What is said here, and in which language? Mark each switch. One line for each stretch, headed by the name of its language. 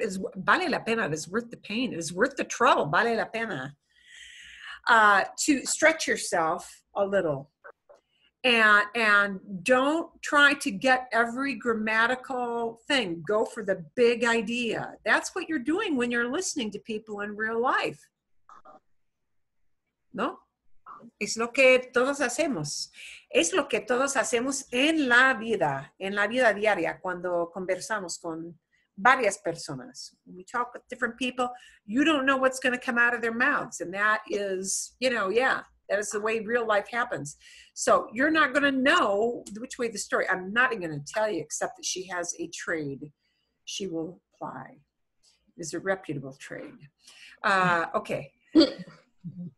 English: It is vale la pena. It is worth the pain. It is worth the trouble. Vale la pena. To stretch yourself a little. And don't try to get every grammatical thing. Go for the big idea. That's what you're doing when you're listening to people in real life.
Spanish: No? Es lo que todos hacemos. Es lo que todos hacemos en la vida diaria, cuando conversamos con varias personas.
English: When we talk with different people, you don't know what's going to come out of their mouths. And that is, you know, yeah. That is the way real life happens. So you're not going to know which way the story. I'm not even going to tell you, except that she has a trade she will ply. It's a reputable trade. Okay.